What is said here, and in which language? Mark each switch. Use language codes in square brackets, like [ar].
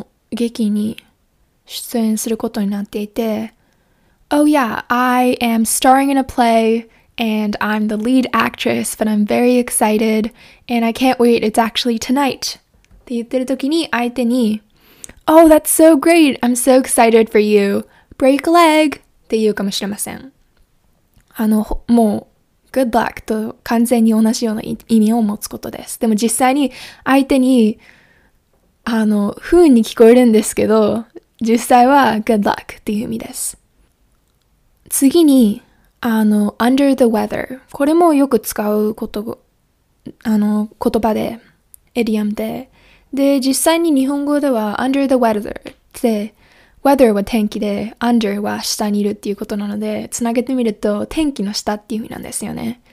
[ja] 劇に出演することになっていて、 [en] Oh yeah, I am starring in a play and I'm the lead actress, but I'm very excited and I can't wait, it's actually tonight. [ja] って言ってる時に相手に [en] Oh, that's so great, I'm so excited for you. Break a leg! [ja] って言うかもしれません。もう Good luck と完全に同じような意味を持つことです。でも実際に相手に不運に聞こえるんですけど、実際は Good luck っていう意味です。次に、under the weather。これもよく使うこと、言葉で、エリアムで。で、実際に日本語では、under the weather って、weather は天気で、under は下にいるっていうことなので、つなげてみると、天気の下っていう意味なんですよね。